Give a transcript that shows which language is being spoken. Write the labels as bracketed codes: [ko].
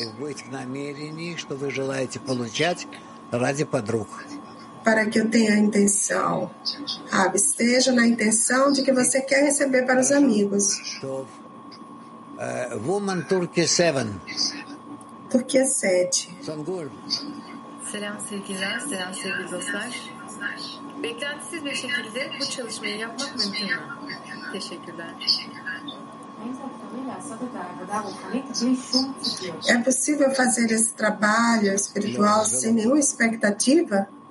[ru] Быть в намерении, что вы желаете получать ради подруг. [pt] Para que eu tenha a intenção. Esteja na intenção de que você quer receber para os amigos. [en] Woman Turkey 7. [pt] Turquia 7. [tr] Songur. Selam sevgiler, selam sevgili dostlar. Beklentisiz bir şekilde bu çalışmayı yapmak mümkün. Teşekkürler. [pt] É possível fazer esse trabalho espiritual sem nenhuma expectativa?